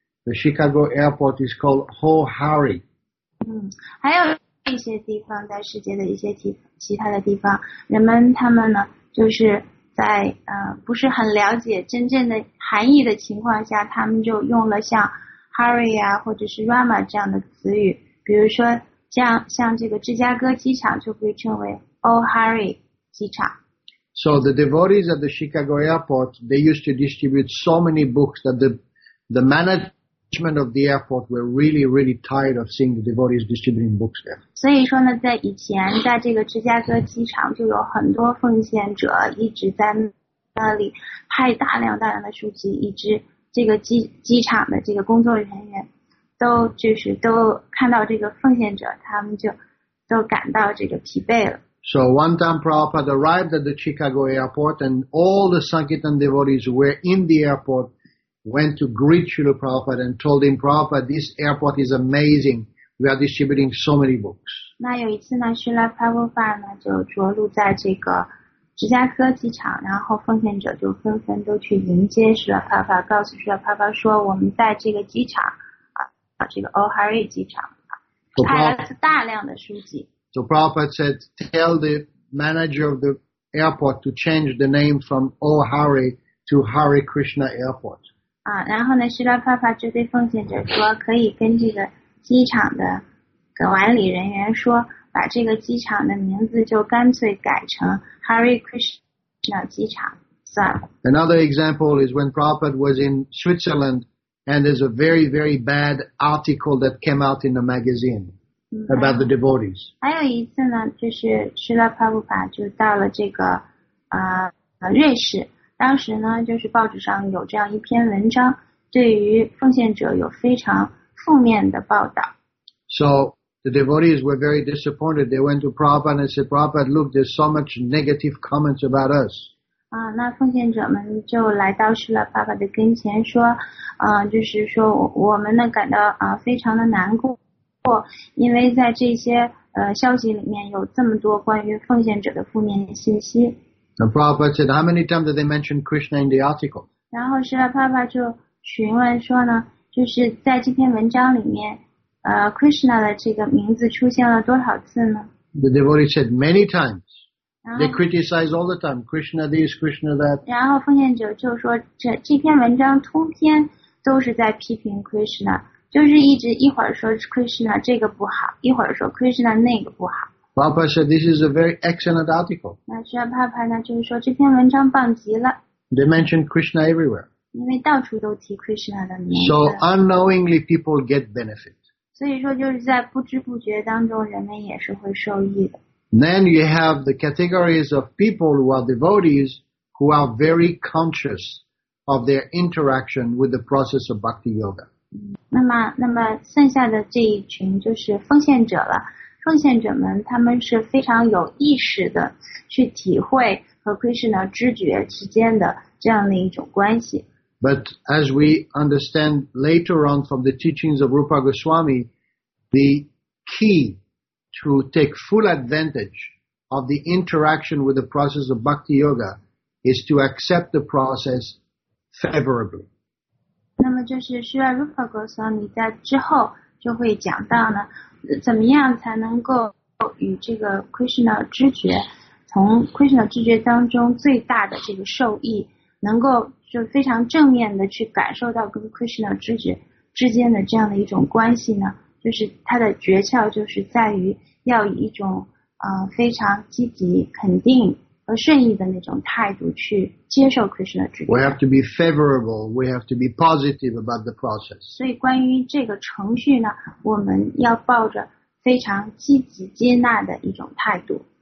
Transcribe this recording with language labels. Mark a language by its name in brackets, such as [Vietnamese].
[English] The Chicago airport is called Ho Hari. [Chinese] 还有一些地方在世界的一些其他的地方，人们他们呢就是。在不是很了解真正的含义的情况下，他们就用了像 Hari 啊，或者是 Rama 这样的词语。比如说，像这个芝加哥机场就被称为 Oh Hari 机场。 [English] So the devotees at the Chicago airport, they used to distribute so many books that the management of the airport were really, really tired of seeing the devotees distributing books there. [Chinese] 所以说呢，在以前，在这个芝加哥机场就有很多奉献者一直在那里派大量的书籍，以致这个机场的这个工作人员都看到这个奉献者，他们就都感到这个疲惫了。 [English] So one time Prabhupada arrived at the Chicago airport, and all the Sankirtan devotees were in the airport. Went to greet Srila Prabhupada and told him, Prabhupada, this airport is amazing. We are distributing so many books. [Chinese] 那有一次呢，希拉帕布法呢就着陆在这个芝加哥机场，然后奉献者就纷纷都去迎接希拉帕布法，告诉希拉帕布法说，我们在这个机场啊，这个 Oh Hari 机场派了大量的书籍。 [English] So Prabhupada said, tell the manager of the airport to change the name from Oh Hari to Hari Krishna Airport. [Chinese] 然后呢，希拉帕帕就对奉献者说，可以跟这个机场的管理人员说，把这个机场的名字就干脆改成 Hari Krishna 机场算了。 [English] Another example is when Prabhupada was in Switzerland, and there's a very, very bad article that came out in the magazine about the devotees. [Chinese] 还有一次呢，就是希拉帕帕就到了这个瑞士。当时呢，就是报纸上有这样一篇文章，对于奉献者有非常负面的报道。 [English] So the devotees were very disappointed. They went to Prabhupada and said, Prabhupada, look, there's so much negative comments about us. [Chinese] 那奉献者们就来到师了爸爸的跟前说，就是说我们呢感到非常的难过，因为在这些消息里面有这么多关于奉献者的负面信息。 [English] And Prabhupada said, how many times did they mention Krishna in the article? [Chinese] 然后释迦帕帕就询问说呢，就是在这篇文章里面Krishna 的这个名字出现了多少次呢？ [English] The devotee said, many times. They criticize all the time. Krishna this, Krishna that. [Chinese] 然后奉献者就说这篇文章通篇都是在批评 Krishna, 就是一直一会儿说 Krishna 这个不好，一会儿说 Krishna 那个不好。 [English] Prabhupada said, this is a very excellent article. [Chinese] 那释迦帕帕呢就是说这篇文章棒极了。 [English] They mentioned Krishna everywhere. [Chinese] 因为到处都提 Krishna 的名字。 [English] So unknowingly people get benefit. [Chinese] 所以说就是在不知不觉当中人们也是会受益的。 [English] Then you have the categories of people who are devotees who are very conscious of their interaction with the process of bhakti yoga. [Chinese] 那么剩下的这一群就是奉献者了。奉献者们他们是非常有意识的去体会和 Krishna 知觉之间的这样的一种关系。 [English] But as we understand later on from the teachings of Rupa Goswami, the key to take full advantage of the interaction with the process of bhakti yoga is to accept the process favorably. [Chinese] 那么就是需要 Rupa Goswami 在之后就会讲到呢怎么样才能够与这个 Krishna 知觉，从 Krishna 知觉当中最大的这个受益，能够就非常正面的去感受到跟 Krishna 知觉之间的这样的一种关系呢？就是它的诀窍就是在于要以一种非常积极、肯定和顺意的那种态度去接受 Krishna 知觉。 [English] We have to be favorable. We have to be positive about the process. [Chinese] 所以关于这个程序呢，我们要抱着非常积极接纳的一种态度。